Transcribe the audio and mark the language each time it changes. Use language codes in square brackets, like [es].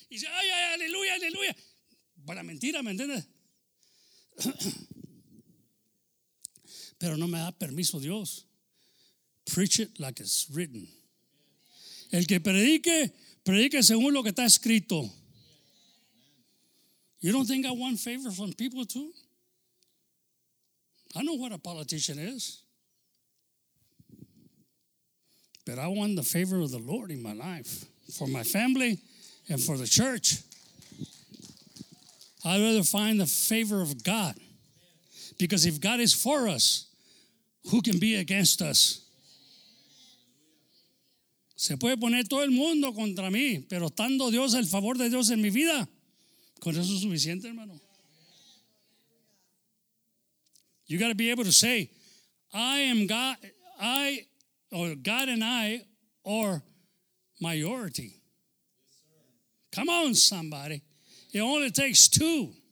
[es] Y dice, ay, ay, aleluya, aleluya. Para mentira, ¿me entiendes? Pero no me da permiso Dios. [en] Preach it like it's written. [es] El que predique, predique según lo que está escrito. [en] You don't think I want favor from people too? I know what a politician is. But I want the favor of the Lord in my life, for my family and for the church. I'd rather find the favor of God. Because if God is for us, who can be against us? [es] Se puede poner todo el mundo contra mí, pero estando Dios, el favor de Dios en mi vida, con eso es suficiente, hermano. [en] You got to be able to say, God and I are majority. Come on, somebody. It only takes two.